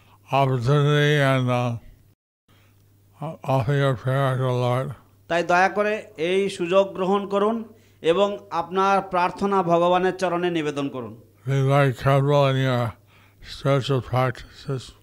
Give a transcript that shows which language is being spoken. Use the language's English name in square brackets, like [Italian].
[English] opportunity and offer your prayer to the Lord. [Bangla] তাই দয়া করে এই সুযোগ গ্রহণ করুন এবং আপনার প্রার্থনা ভগবানের চরণে নিবেদন করুন. [English] Be very careful in your spiritual practices.